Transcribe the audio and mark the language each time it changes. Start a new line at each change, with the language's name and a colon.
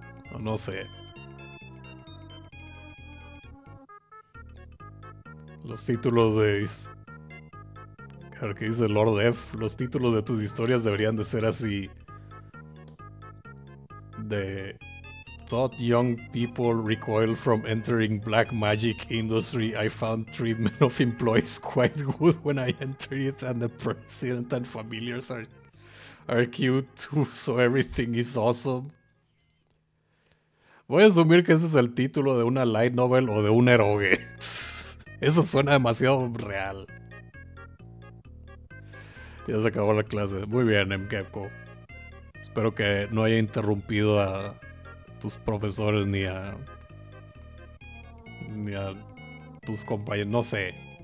Spanish: No, no sé. Los títulos de, claro que dice Lord F, los títulos de tus historias deberían de ser así.
English: The thought young people recoil from entering black magic industry. I found treatment of employees quite good when I entered it, and the president and familiars are cute too, so everything is awesome.
Spanish: Voy a asumir que ese es el título de una light novel o de un eroge. Eso suena demasiado real. Ya se acabó la clase. Muy bien, Mkepko. Espero que no haya interrumpido a tus profesores ni a tus compañeros. No sé.